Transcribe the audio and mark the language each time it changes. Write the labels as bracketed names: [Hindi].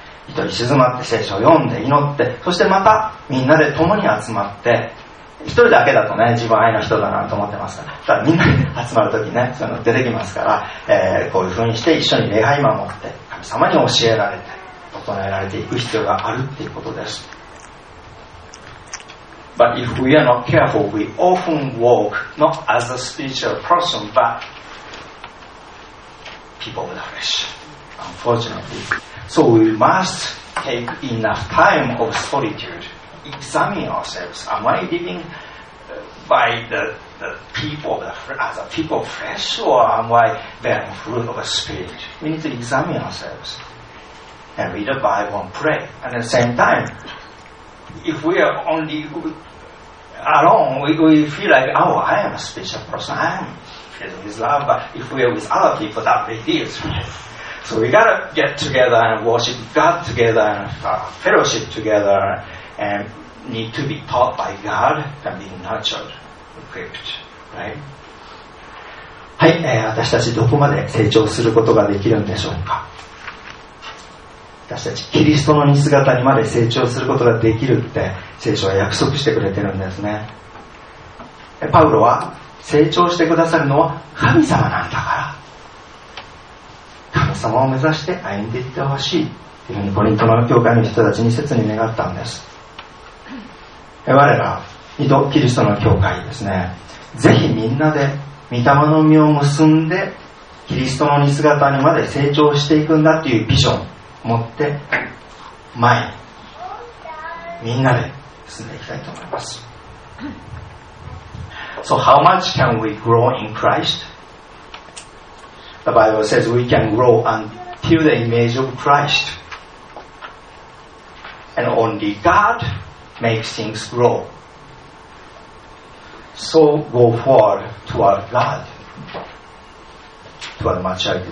[Japanese] 一人静まって聖書を読んで祈って、そしてまたみんなで共に集まって、一人だけだとね自分愛の人だなと思ってますから、だからみんなで集まるときねそういうの出てきますから、こういうふうにして一緒に願い守って神様に教えられて整えられていく必要があるっていうことです。 [English] But if we are not careful, we often walk not as a spiritual person, but people of the flesh. Unfortunately. So we must take enough time of solitude, examine ourselves. Am I living by the people of the flesh, as a people of flesh, or am I bearing fruit of the spirit? We need to examine ourselves and read the Bible and pray. And at the same time, if we are only alone, we feel like, oh, I am a special person, I am filled with love, but if we are with other people, that reveals me. So we gotta get together and worship God together and fellowship together and need to be taught by God and be nurtured, equipped, right? [Japanese] はい、私たちどこまで成長することができるんでしょうか。私たちキリストの似姿にまで成長することができるって聖書は約束してくれてるんですね。パウロは成長してくださるのは神様なんだから、神様を目指して歩んでいってほしいというふうにコリントの教会の人たちに切に願ったんです。我らキリストの教会ですね、ぜひみんなで御霊の実を結んでキリストの似姿にまで成長していくんだというビジョン持って前にみんなで進んでいきたいと思います。 [English] So how much can we grow in Christ? The Bible says we can grow until the image of Christ. And only God makes things grow. So go forward toward God, toward maturity.